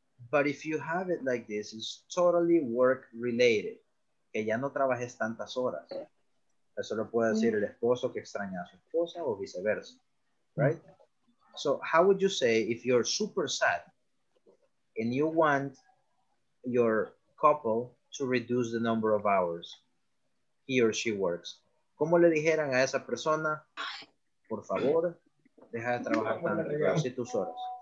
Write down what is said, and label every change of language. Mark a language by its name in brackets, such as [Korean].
[English] But if you have it like this, it's totally work related. [Spanish] Que ya no trabajes tantas horas. Eso lo puede decir el esposo que extraña a su esposa o viceversa. [English] Right? So how would you say if you're super sad and you want your couple to reduce the number of hours he or she works? [Spanish] ¿Cómo le dijeran a esa persona, por favor, deja de trabajar tanto, reduce tus horas?